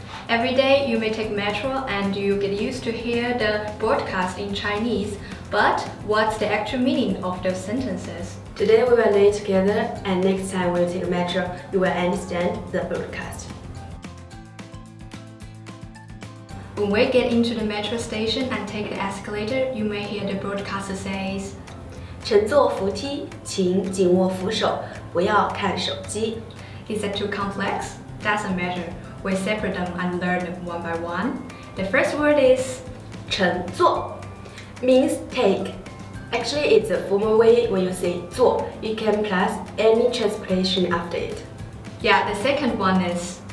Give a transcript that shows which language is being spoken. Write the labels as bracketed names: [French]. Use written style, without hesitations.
[English] Every day you may take metro and you get used to hear the broadcast in Chinese, but what's the actual meaning of those sentences? Today we will learn together, and next time when you take metro, you will understand the broadcast. When we get into the metro station and take the escalator, you may hear the broadcaster says, [Chinese] 乘坐扶梯，请紧握扶手，不要看手机。 [English] Is that too complex? Doesn't matter. We separate them and learn them one by one. The first word is 乘坐 means take. Actually, it's a formal way when you say 坐. You can plus any transportation after it. Yeah, the second one is